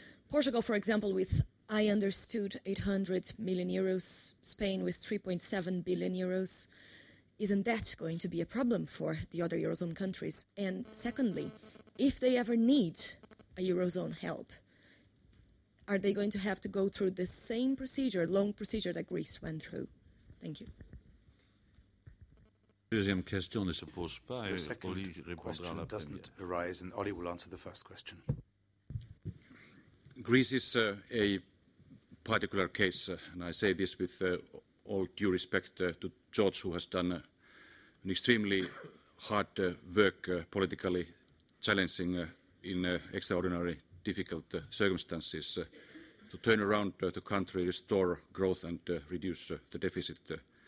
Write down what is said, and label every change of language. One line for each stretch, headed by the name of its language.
English: Portugal, for example, with, I understood, 800 million euros, Spain with 3.7 billion euros. Isn't that going to be a problem for the other Eurozone countries? And secondly, if they ever need a Eurozone help, are they going to have to go through the same procedure, long procedure that Greece went through? Thank you.
French: La deuxième question ne se pose pas et Oli répondra à la première.
English: And Oli will answer the first question. Greece is a particular case, and I say this with all due respect to George, who has done an extremely hard work politically challenging in extraordinary difficult circumstances to turn around the country, restore growth and reduce the deficit.